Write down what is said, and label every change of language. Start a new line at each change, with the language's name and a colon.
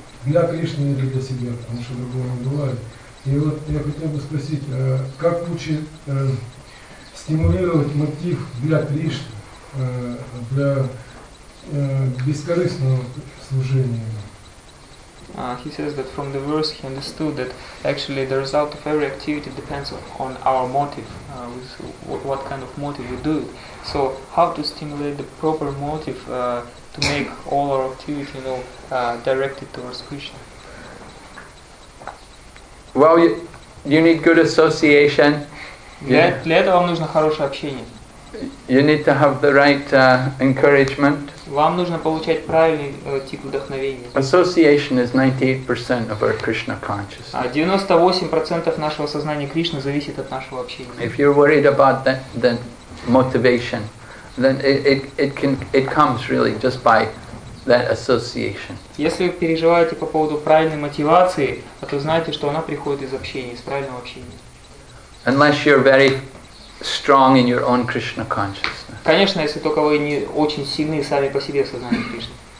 Russian: Для Кришны или для себя, потому что другого не бывает. И вот я хотел бы спросить, как лучше стимулировать мотив для Кришны, для бескорыстного служения?
English: He says that from the verse he understood that actually the result of every activity depends on our motive, what kind of motive we do. So how to stimulate the proper motive to make all our activity, you know, directed towards Krishna? Well, you need good association.
Russian: Для этого вам нужно хорошее общение.
English: You need to have the right encouragement.
Russian: Вам нужно получать правильный тип вдохновения.
English: Association is 98% of our Krishna consciousness.
Russian: 98% нашего сознания Кришны зависит от нашего общения.
English: If you're worried about the motivation, then it comes really just by that association.
Russian: Если вы переживаете по поводу правильной мотивации, то знаете, что она приходит из общения, из правильного общения.
English: Unless you're very strong in your own Krishna consciousness.
Russian: Конечно, если только вы не очень сильны сами по себе в сознании Кришны.